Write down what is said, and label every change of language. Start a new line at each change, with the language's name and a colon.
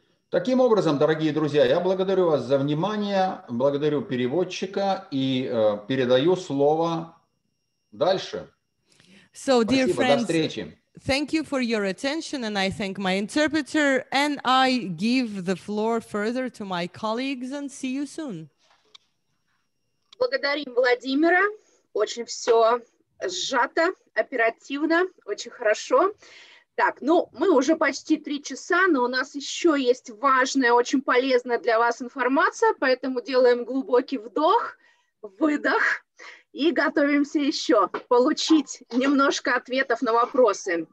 Russian: Таким образом, дорогие друзья, я благодарю вас за внимание, благодарю переводчика и передаю слово дальше.
English: So, dear friends,
Russian: до встречи.
English: Thank you for your attention, and I thank my interpreter, and I give the floor further to my colleagues, and see you soon.
Russian: Благодарим Владимира. Очень все сжато, оперативно, очень хорошо. Так, ну, мы уже почти 3 часа, но у нас еще есть важная, очень полезная для вас информация, поэтому делаем глубокий вдох, выдох и готовимся еще получить немножко ответов на вопросы.